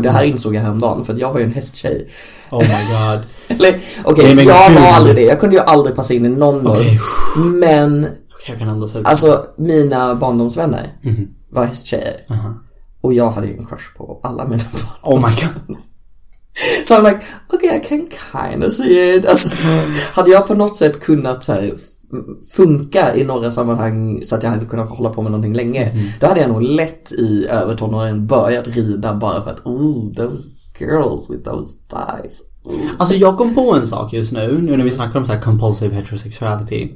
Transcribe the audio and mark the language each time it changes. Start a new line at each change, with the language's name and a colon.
Swedish: Och det här insåg jag häromdagen, för att jag var ju en hästtjej.
English: Oh my god.
Swedish: Okej, okay, jag var aldrig det. Jag kunde ju aldrig passa in i någon norm. Okay. Men okay, jag kan ändå säga. Alltså, mina barndomsvänner var hästtjejer. Och jag hade ju en crush på alla mina barn.
English: Oh my god.
Swedish: Så jag var
English: like, okay, I can kind of see it.
Swedish: Alltså, hade jag på något sätt kunnat så här funka i några sammanhang så att jag hade kunnat få hålla på med någonting länge, då hade jag nog lätt i övertonåren börjat rida bara för att
English: ooh, those girls with those thighs.
Swedish: Alltså jag kom på en sak just nu, nu när vi snackar om så här compulsive heterosexuality.